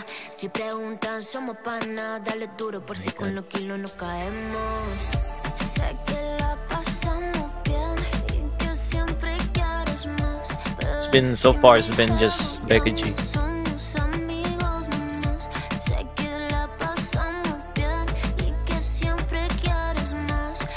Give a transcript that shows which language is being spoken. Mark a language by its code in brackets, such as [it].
[es] Si preguntan somos pana, dale duro por si con los kilos no caemos. Sé que la pasamos bien y que siempre quieres más. [en] It's been so far, it's been just Becky G. [es] Somos amigos nomás. Sé que la pasamos bien y que siempre quieres más.